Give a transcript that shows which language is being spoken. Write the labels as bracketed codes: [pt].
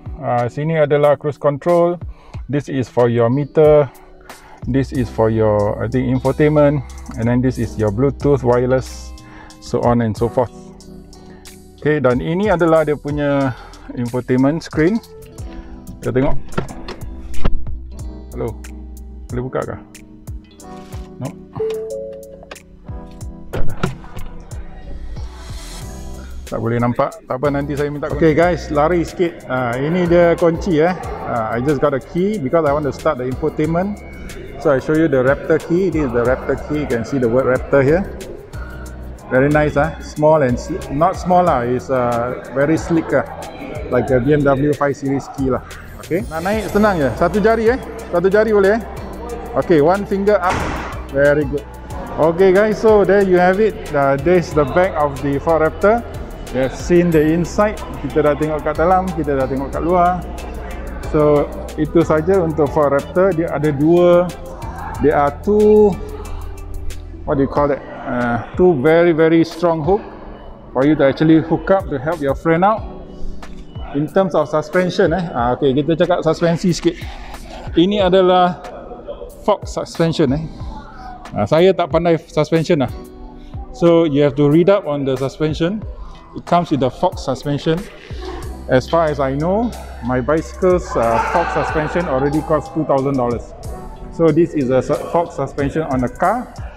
[ms] Sini adalah cruise control. [en] This is for your meter. This is for your, I think, infotainment. And then this is your Bluetooth, wireless, so on and so forth. [ms] Okay, dan ini adalah dia punya infotainment screen. Kita tengok. Hello. Boleh buka kah? No. Tak boleh nampak. Tak apa, nanti saya minta. Okay guys, lari sikit. Ini dia kunci . [en] I just got a key because I want to start the infotainment. So I show you the Raptor key. This is the Raptor key. You can see the word Raptor here. Very nice . Small and not small . It's very sleek . Like a BMW 5 series key . Okay. [ms] Nak naik senang je. Satu jari . Satu jari boleh [en] . Okay, one finger up. Very good. Okay guys, so there you have it. This is the back of the Ford Raptor. You have seen the inside. [ms] Kita dah tengok kat dalam, kita dah tengok kat luar. So, itu saja untuk Ford Raptor. Dia ada dua. [en] There are two, what do you call that? Two very very strong hook for you to actually hook up to help your friend out. In terms of suspension . Okay, [ms] kita cakap suspensi sikit. Ini adalah fork suspension . Saya tak pandai suspension . [en] So, you have to read up on the suspension. It comes with the fork suspension. As far as I know, my bicycle's fork suspension already cost $2,000. So this is a fork suspension on a car.